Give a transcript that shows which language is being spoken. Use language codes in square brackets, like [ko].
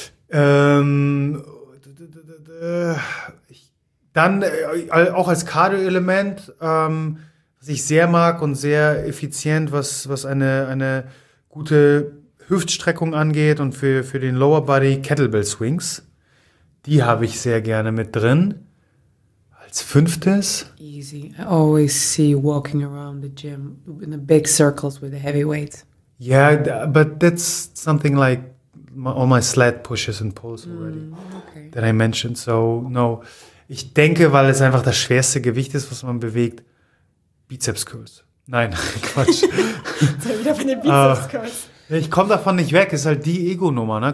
[de] Dann auch als Cardio-Element, was ich sehr mag und sehr effizient, was eine gute Hüftstreckung angeht und für den Lower Body Kettlebell Swings. Die habe ich sehr gerne mit drin. Als fünftes. [en] Easy. I always see you walking around the gym in the big circles with the heavy weights. Yeah, but that's something like all my sled pushes and pulls already that I mentioned. So, no. [de] Ich denke, weil es einfach das schwerste Gewicht ist, was man bewegt, Bizeps Curls. Nein, Quatsch. So, wieder von den Bizeps Curls. Ich komme davon nicht weg, ist halt die Ego-Nummer, ne?